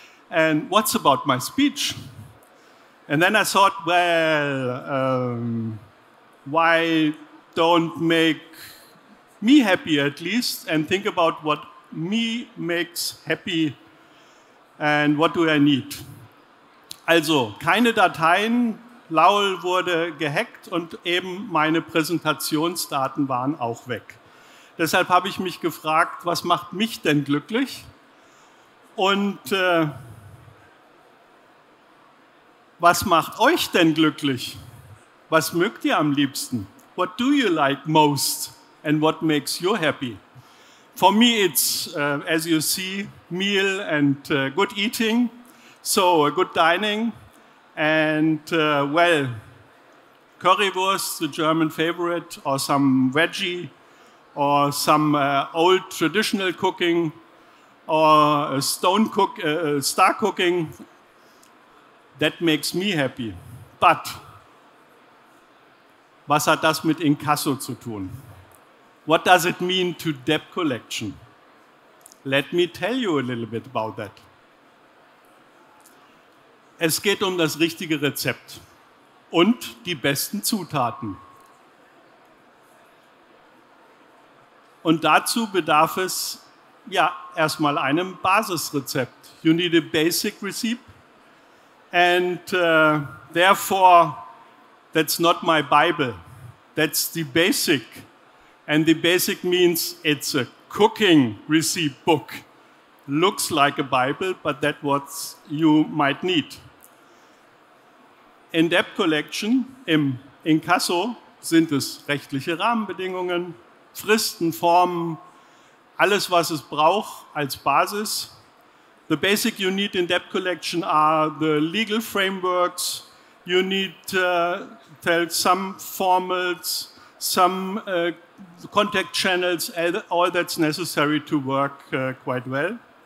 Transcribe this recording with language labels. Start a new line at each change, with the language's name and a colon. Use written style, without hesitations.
English: And what's about my speech? And then I thought, well, why don't make me happy at least and think about what me makes happy and what do I need?
German: Also, keine Dateien. Lowell wurde gehackt und eben meine Präsentationsdaten waren auch weg. Deshalb habe ich mich gefragt, was macht mich denn glücklich? Und was macht euch denn glücklich? Was mögt ihr am liebsten?
English: What do you like most and what makes you happy? For me it's, as you see, meal and good eating, so a good dining. And well, currywurst, the German favorite, or some veggie, or some old traditional cooking, or star cooking, that makes me happy. But
German: was hat das mit Inkasso zu tun?
English: What does it mean to debt collection? Let me tell you a little bit about that.
German: Es geht um das richtige Rezept und die besten Zutaten. Und dazu bedarf es ja erstmal einem Basisrezept.
English: You need a basic receipt. And therefore, that's not my Bible. That's the basic. And the basic means it's a cooking receipt book. Looks like a Bible, but that's what you might need. In debt collection,
German: im Inkasso, sind es rechtliche Rahmenbedingungen, Fristen, Formen, alles, was es braucht als Basis.
English: The basic you need in debt collection are the legal frameworks. You need tell some formals, some contact channels, all that's necessary to work quite well.